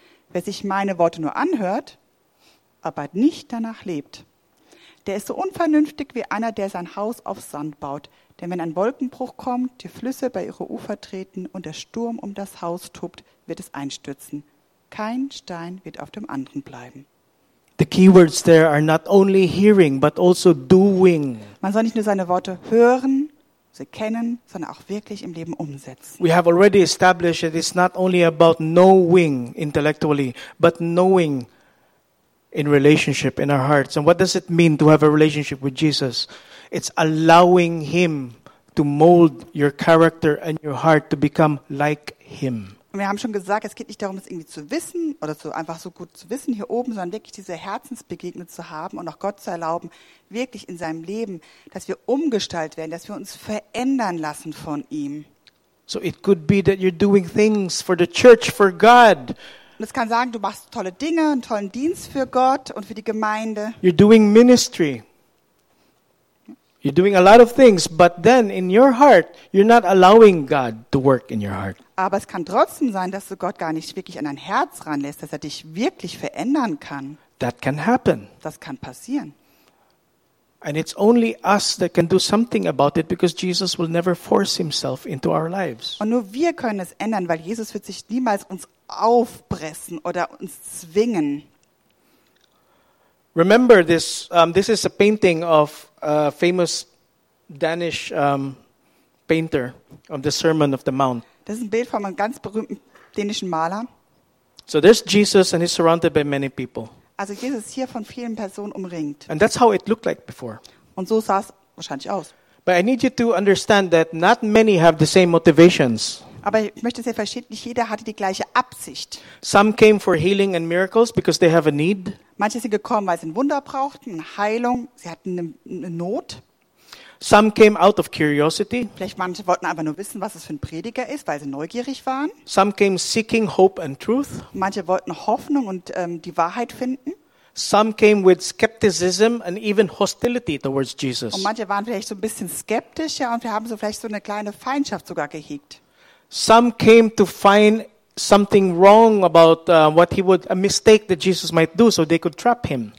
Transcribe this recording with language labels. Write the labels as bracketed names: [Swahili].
[German] Wer sich meine Worte nur anhört, aber nicht danach lebt, der ist so unvernünftig wie einer, der sein Haus auf Sand baut. Denn wenn ein Wolkenbruch kommt, die Flüsse bei ihre Ufer treten und der Sturm um das Haus tobt, wird es einstürzen. Kein Stein wird auf dem anderen bleiben. [English] The keywords there are not only hearing, but also doing. [German] Man soll nicht nur seine Worte hören, sie kennen, sondern auch wirklich im Leben umsetzen. [English] We have already established that it's not only about knowing intellectually, but knowing in relationship in our hearts. And what does it mean to have a relationship with Jesus? It's allowing him to mold your character and your heart to become like him. [German] Und wir haben schon gesagt, es geht nicht darum, es irgendwie zu wissen oder so einfach so gut zu wissen hier oben, sondern wirklich diese Herzensbegegnung zu haben und auch Gott zu erlauben, wirklich in seinem Leben, dass wir umgestaltet werden, dass wir uns verändern lassen von ihm. [English] So it could be that you're doing things for the church, for God. [German] Und es kann sagen, du machst tolle Dinge, einen tollen Dienst für Gott und für die Gemeinde. [English] You're doing ministry. You're doing a lot of things, but then in your heart, you're not allowing God to work in your heart. [German] Aber es kann trotzdem sein, dass du Gott gar nicht wirklich an dein Herz ranlässt, dass er dich wirklich verändern kann. [English] That can happen. [German] Das kann passieren. [English] And it's only us that can do something about it, because Jesus will never force himself into our lives. [German] Und nur wir können es ändern, weil Jesus wird sich niemals uns aufpressen oder uns zwingen. [English] Remember this, this is a painting of a famous Danish painter of the Sermon of the Mount. [German] Das ist ein Bild von einem ganz berühmten dänischen Maler. [English] So there's Jesus and he's surrounded by many people. [German] Also Jesus ist hier von vielen Personen umringt. [English] And that's how it looked like before. [German] Und so sah es wahrscheinlich aus. [English] But I need you to understand that not many have the same motivations. [German] Aber ich möchte sehr verstehen, nicht jeder hatte die gleiche Absicht. [English] Some came for healing and miracles because they have a need. [German] Manche sind gekommen, weil sie ein Wunder brauchten, eine Heilung, sie hatten eine Not. [English] Some came out of curiosity. [German] Vielleicht manche wollten einfach nur wissen, was es für ein Prediger ist, weil sie neugierig waren. [English] Some came seeking hope and truth. [German] Manche wollten Hoffnung und die Wahrheit finden. [English] Some came with skepticism and even hostility towards Jesus. [German] Und manche waren vielleicht so ein bisschen skeptisch, ja, und wir haben so vielleicht so eine kleine Feindschaft sogar gehegt. [English] Some came to find something wrong about what he would, a mistake that Jesus might do, so they could trap him.